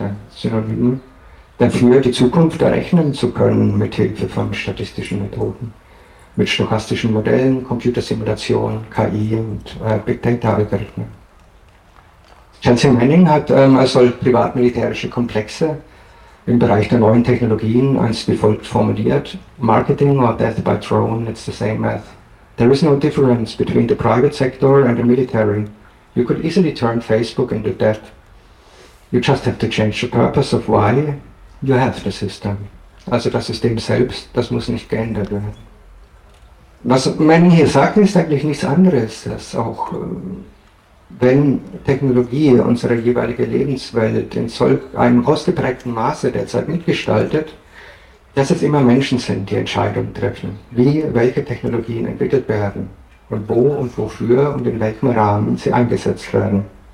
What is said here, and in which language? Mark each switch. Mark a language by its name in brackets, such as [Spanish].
[German] Ein Synonym dafür, die Zukunft errechnen zu können mit Hilfe von statistischen Methoden, mit stochastischen Modellen, Computersimulationen, KI und Big Data Algorithmen. Chelsea Manning hat als solch privatmilitärische Komplexe im Bereich der neuen Technologien einst wie folgt formuliert: [English] Marketing or death by drone, it's the same math. There is no difference between the private sector and the military. You could easily turn Facebook into death. You just have to change the purpose of why you have the system. [German] Also das System selbst, das muss nicht geändert werden. Was Manning hier sagt, ist eigentlich nichts anderes, dass auch wenn Technologie unsere jeweilige Lebenswelt in solch einem ausgeprägten Maße derzeit mitgestaltet, dass es immer Menschen sind, die Entscheidungen treffen, wie welche Technologien entwickelt werden und wo und wofür und in welchem Rahmen sie eingesetzt werden.